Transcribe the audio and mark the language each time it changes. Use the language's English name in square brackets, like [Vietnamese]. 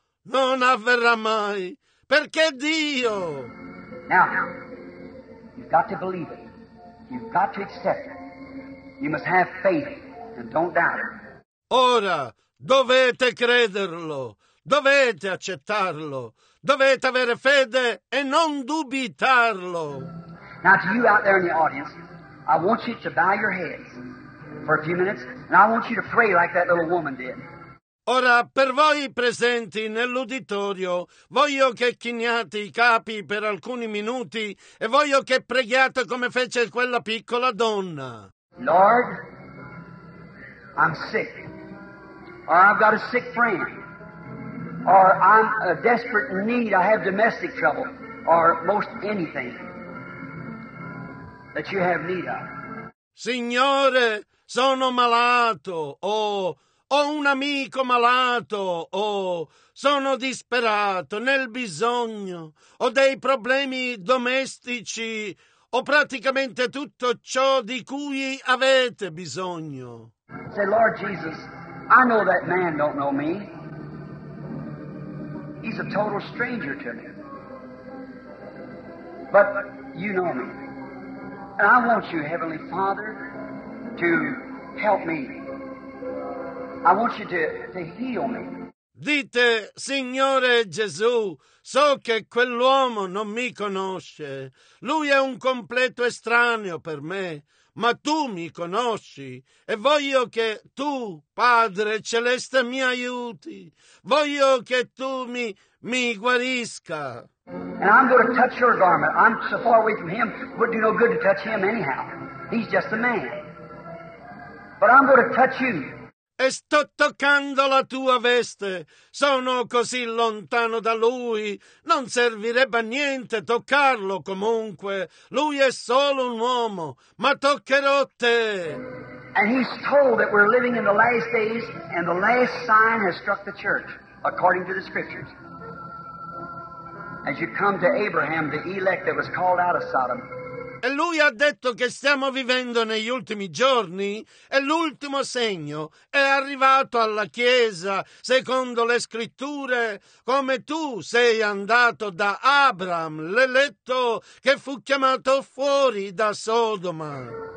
[Italian] Non avverrà mai. Perché Dio? [English] Now, you've got to believe it. You've got to accept it. You must have faith and don't doubt it. [Italian] Ora, dovete crederlo. Dovete accettarlo. Dovete avere fede e non dubitarlo. [English] Now to you out there in the audience, I want you to bow your heads for a few minutes, and I want you to pray like that little woman did. [Italian] Ora, per voi presenti nell'uditorio, voglio che chiniate i capi per alcuni minuti e voglio che preghiate come fece quella piccola donna. [English] Lord, I'm sick, or I've got a sick friend. Or I'm a desperate need, I have domestic trouble, or most anything that you have need of. [Italian] Signore, sono malato, o ho un amico malato, o sono disperato, nel bisogno, ho dei problemi domestici, o praticamente tutto ciò di cui avete bisogno. [English] Say, Lord Jesus, I know that man don't know me. He's a total stranger to me. But you know me. And I want you, Heavenly Father, to help me. I want you to heal me. [Italian] Dite, Signore Gesù, so che quell'uomo non mi conosce. Lui è un completo estraneo per me. Ma tu mi conosci e voglio che tu, Padre Celeste, mi aiuti. Voglio che tu mi guarisca. [English] And I'm going to touch your garment. I'm so far away from him, it would do no good to touch him anyhow. He's just a man. But I'm going to touch you. [Italian] E sto toccando la tua veste. Sono così lontano da lui. Non servirebbe a niente toccarlo comunque. Lui è solo un uomo, ma toccherò te. [English] And he's told that we're living in the last days and the last sign has struck the church, according to the scriptures. As you come to Abraham, the elect that was called out of Sodom. [Italian] E lui ha detto che stiamo vivendo negli ultimi giorni e l'ultimo segno è arrivato alla Chiesa secondo le Scritture, come tu sei andato da Abram, l'eletto che fu chiamato fuori da Sodoma.